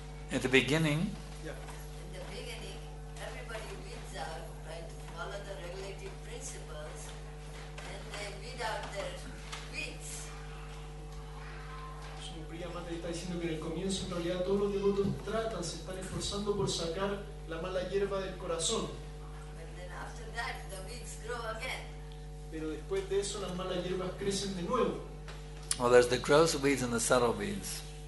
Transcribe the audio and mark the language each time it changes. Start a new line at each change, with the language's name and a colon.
English: In the beginning, everybody weeds out, right, follow the regulative principles, and they weed out their weeds.
Spanish: Su Priya Madre está diciendo que en el comienzo, en realidad, todos los devotos tratan, se están esforzando por sacar la mala hierba del corazón.
English: But then after that, the weeds grow again.
Spanish: Pero después de eso, las malas hierbas crecen de nuevo.
English: Well, there's the gross weeds and the subtle weeds.